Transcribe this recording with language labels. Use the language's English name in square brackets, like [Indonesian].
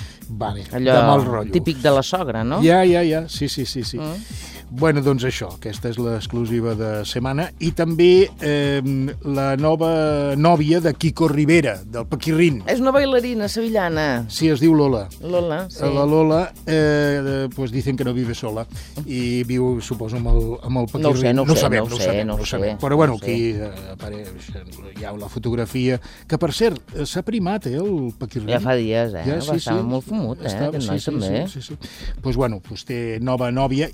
[Catalan] Vale, allò de mal rotllo. Típic de la sogra, no? Ja. Sí. Mm. Bueno, doncs això, aquesta és l'exclusiva de setmana. I també la nova nòvia de Quico Rivera, del Paquirrín. És una bailarina sevillana. Sí, es diu Lola. Lola, sí. [Spanish] La Lola, pues dicen que no vive sola. [Catalan] I viu, suposo, amb el Paquirrín. No ho sabem. Però bueno, aquí apareix, hi ha la fotografia. Que, per cert, s'ha primat, el Paquirrín. Ja fa dies, Ja, estava molt fumut, aquest noi també. Pues bueno, pues té nova nòvia.